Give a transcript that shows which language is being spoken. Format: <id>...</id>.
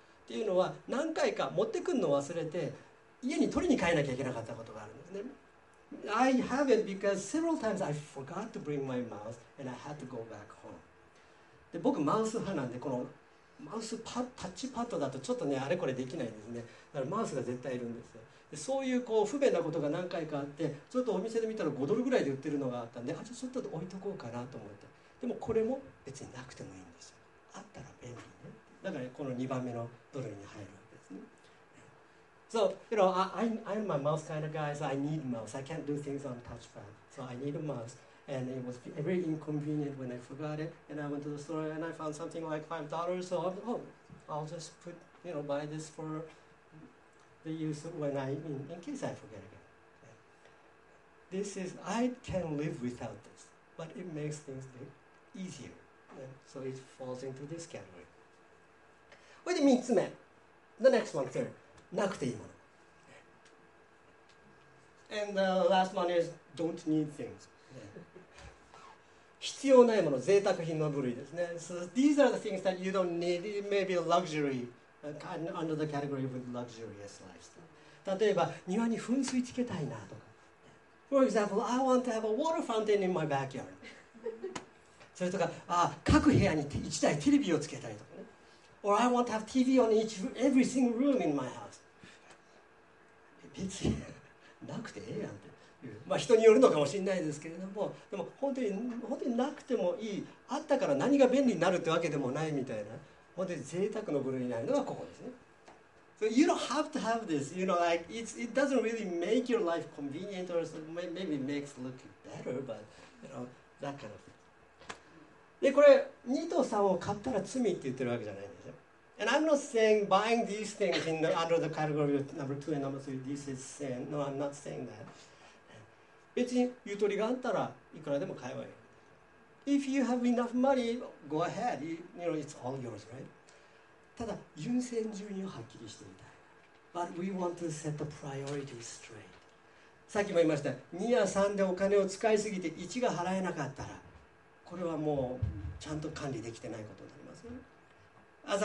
<ja>っていうのは何回か持ってくるのを忘れて家に取りに帰らなきゃいけなかったことがあるんですね。</ja> <en>I have it because several times I forgot to bring my mouse and I had to go back home.</en> <ja>で、僕マウス派なんでこのマウスパッタッチパッドだとちょっとねあれこれできないんですね。だからマウスが絶対いるんですよ。で、そういうこう不便なことが何回かあってちょっとお店で見たら5ドルぐらいで売ってるのがあったんで、あ、じゃあちょっと置いとこうかなと思って。でもこれも別になくてもいいんですよ。あったら便利ね。だからこの2番目のドルに入るわけですね。</ja> <en>So, you know, I'm a mouse kind of guy, so I need a mouse. I can't do things on touchpad, so I need a mouse. And it was very inconvenient when I forgot it. And I went to the store and I found something like $5. So, I'll just put, you know, buy this for the use of when I, in case I forget again. This is, I can live without this. But it makes things easier. So it falls into this category.</en> <ja>これで3つ目。</ja> <en>The next one, third.</en> <ja>なくていいもの。</ja> <en>And the last one is don't need things.</en> <ja>必要ないもの、贅沢品の部類ですね。</ja> <en>So these are the things that you don't need. It may be luxury, under the category of luxurious lifestyle.</en> <ja>例えば、庭に噴水つけたいなとか。</ja> <en>For example, I want to have a water fountain in my backyard.</en> <ja>それとか、各部屋に1台テレビをつけたりとかね。</ja> <en>Or I want to have TV on every single room in my house.</en> <ja>別になくてええやんって。まあ人によるのかもしれないですけれども、でも本当になくてもいい、あったから何が便利になるってわけでもないみたいな、本当に贅沢の部類になるのがここですね。</ja> <en>So you don't have to have this, you know, like it doesn't really make your life convenient or maybe makes look better, but you know, that kind of thing.</en> <ja>で、これ、2と3を買ったら罪って言ってるわけじゃないんですよ。</ja> <en>And I'm not saying buying these things under the category of number 2 and number 3, this is sin. No, I'm not saying that.</en> <ja>別にゆとりがあったらいくらでも買えばいい。</ja> <en>If you have enough money, go ahead. You know, it's all yours, right?</en> <ja>ただ優先順位をはっきりしてみたい。</ja> <en>But we want to set the priority straight.</en> <ja>さっきも言いました。 2や3でお金を使いすぎて1が払えなかったら、これはもうちゃんと管理できてないことになります。</ja>